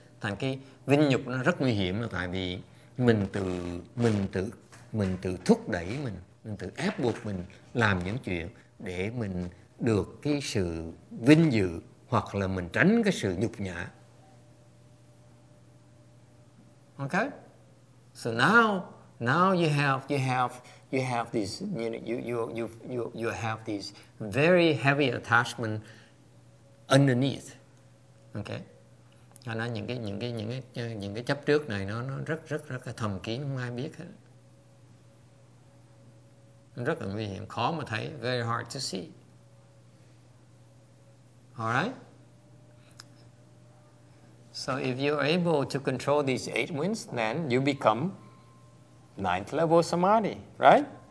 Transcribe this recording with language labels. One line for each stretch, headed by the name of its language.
Vietnamese: Thành cái vinh nhục nó rất nguy hiểm là tại vì mình tự thúc đẩy mình tự ép buộc mình làm những chuyện để mình được cái sự vinh dự hoặc là mình tránh cái sự nhục nhã.
English: Okay, so now you have these, you know, you have these very heavy attachment underneath, okay?
Vietnamese: Cho nên những cái chấp trước này nó rất rất rất là thầm kín, không ai biết hết, rất là nguy hiểm, khó mà thấy,
English: very hard to see. All right. So if you're able to control these eight winds, then you become ninth level samadhi, right?